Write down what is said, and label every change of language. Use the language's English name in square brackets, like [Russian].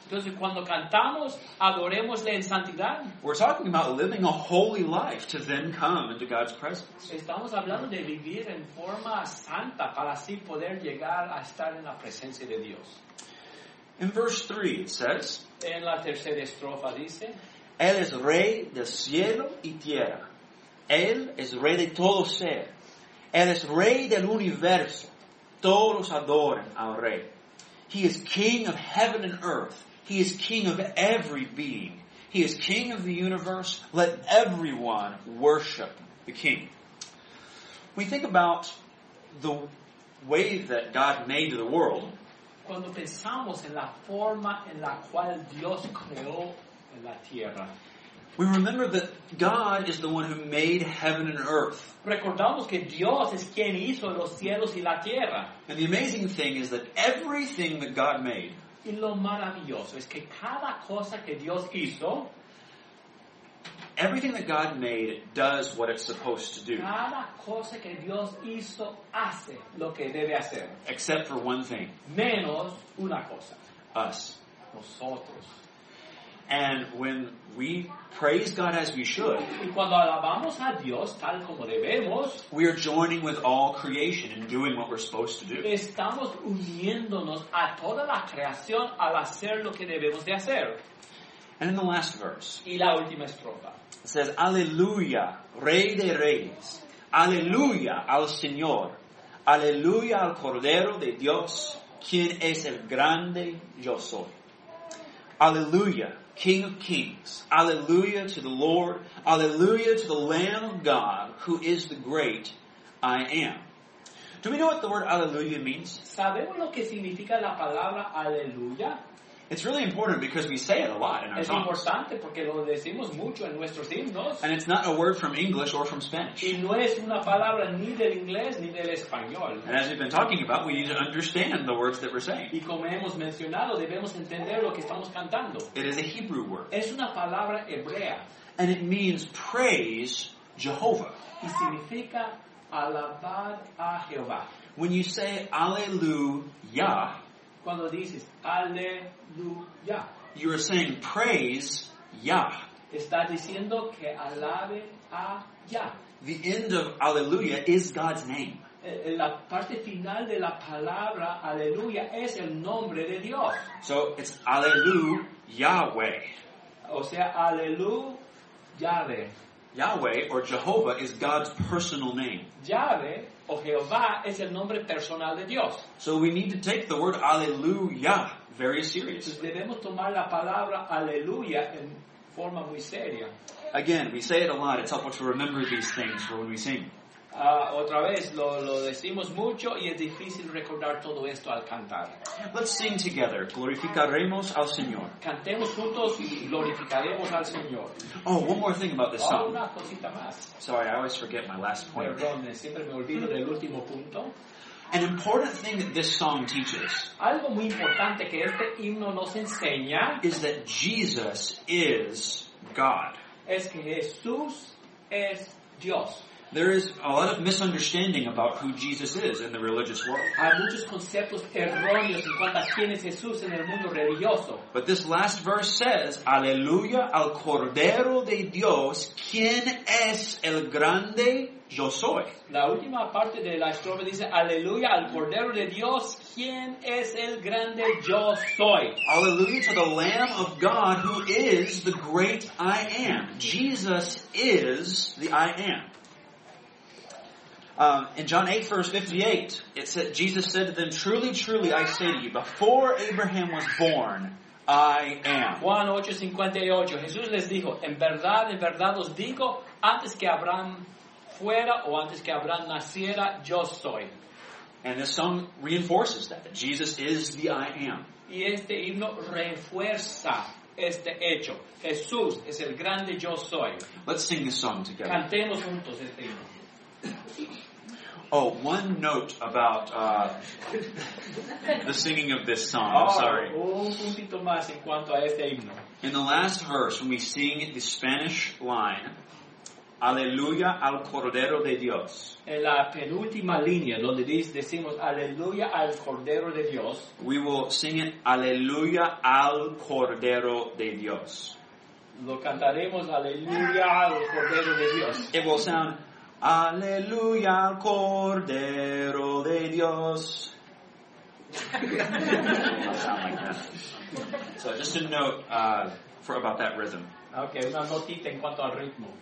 [Spanish] Entonces cuando cantamos, adorémosle en santidad. [English] We're talking about living a holy life to then come into God's presence. [Spanish] Estamos hablando de vivir en forma santa para así poder llegar a estar en la presencia de Dios. [English] In verse 3 it says, [Spanish] en la tercera estrofa dice, Él es rey de cielo y tierra. Él es rey de todo ser. Él es rey del universo. Todos adoran al rey. [English] He is king of heaven and earth. He is king of every being. He is king of the universe. Let everyone worship the king. We think about the way that God made the world. [Spanish] Cuando pensamos en la forma en la cual Dios creó en la tierra, [English] we remember that God is the one who made heaven and earth. [Spanish] Recordamos que Dios es quien hizo los cielos y la tierra. [English] And the amazing thing is that everything that God made, [Spanish] y lo maravilloso es que cada cosa que Dios hizo, [English] everything that God made does what it's supposed to do. [Spanish] Cada cosa que Dios hizo hace lo que debe hacer. [English] Except for one thing. [Spanish] Menos una cosa. [English] Us. [Spanish] Nosotros. [English] And when we praise God as we should, [Spanish] y cuando alabamos a Dios tal como debemos, [English] we are joining with all creation in doing what we're supposed to do. [Spanish] Estamos uniéndonos a toda la creación al hacer lo que debemos de hacer. [English] And in the last verse, [Spanish] y la última estrofa, [English] it says, [Spanish] Aleluya, Rey de Reyes. Aleluya al Señor. Aleluya al Cordero de Dios, quien es el grande yo soy. [English] Aleluya, King of Kings. Aleluya to the Lord. Aleluya to the Lamb of God, who is the great I am. Do we know what the word Aleluya means? [Spanish] ¿Sabemos lo que significa la palabra Aleluya? [English] It's really important because we say it a lot in our songs. [Spanish] Es importante porque lo decimos mucho en nuestros himnos. [English] And it's not a word from English or from Spanish. [Spanish] Y no es una palabra ni del inglés ni del español. [English] And as we've been talking about, we need to understand the words that we're saying. [Spanish] Y como hemos mencionado, debemos entender lo que estamos cantando. [English] It is a Hebrew word. [Spanish] Es una palabra hebrea. [English] And it means praise Jehovah. [Spanish] Y significa alabar a Jehová. [English] When you say Aleluya, [Spanish] cuando dices Aleluya, [English] you are saying praise Yah. [Spanish] Está diciendo que alabe a Yah. [English] The end of Aleluya is God's name. [Spanish] La parte final de la palabra Aleluya es el nombre de Dios. [English] So it's Aleluya Yahweh. [Spanish] O sea, Aleluya Yahweh. [English] Yahweh or Jehovah is God's personal name. [Spanish] Yahweh o Jehová es el nombre personal de Dios. [English] So we need to take the word Aleluya very seriously. [Spanish] Entonces debemos tomar la palabra Aleluya en forma muy seria. [English] Again, we say it a lot. It's helpful to remember these things for when we sing. [Spanish] Otra vez, lo decimos mucho y es difícil recordar todo esto al cantar. [English] Let's sing together. [Spanish] Glorificaremos al Señor. Cantemos juntos y glorificaremos al Señor. [English] Oh, one more thing about this song. [Spanish] Una cosita más. [English] Sorry, I always forget my last point. [Spanish] Perdón, siempre me olvido del último punto. [English] An important thing that this song teaches, [Spanish] algo muy importante que este himno nos enseña, [English] is that Jesus is God. [Spanish] Es que Jesús es Dios. [English] There is a lot of misunderstanding about who Jesus is in the religious world. [Spanish] Hay muchos conceptos erróneos en cuanto a quién es Jesús en el mundo religioso. [English] But this last verse says, [Spanish] Aleluya al Cordero de Dios, quien es el grande yo soy. La última parte de la estrofa dice, Aleluya al Cordero de Dios, quien es el grande yo soy. [English] Aleluya to the Lamb of God, who is the great I am. Jesus is the I am. In John 8, verse 58, it said, Jesus said to them, truly, truly, I say to you, before Abraham was born, I am. [Spanish] Juan 8, 58, Jesús les dijo, en verdad os digo, antes que Abraham fuera o antes que Abraham naciera, yo soy. [English] And this song reinforces that. Jesus is the I am. [Spanish] Y este himno refuerza este hecho. Jesús es el grande yo soy. [English] Let's sing this song together. [Spanish] Cantemos juntos este himno. [English] Oh, one note about the singing of this song. I'm sorry. [Spanish] Un puntito más en cuanto a este himno. [English] In the last verse, when we sing the Spanish line, [Spanish] Aleluya al Cordero de Dios. En la penúltima línea, donde decimos Aleluya al Cordero de Dios. [English] We will sing it, [Spanish] Aleluya al Cordero de Dios. Lo cantaremos, Aleluya al Cordero de Dios. [English] It will sound, [Spanish] Aleluya al Cordero de Dios. [English] So just a note for about that rhythm. [Spanish] Okay, una notita en cuanto al ritmo.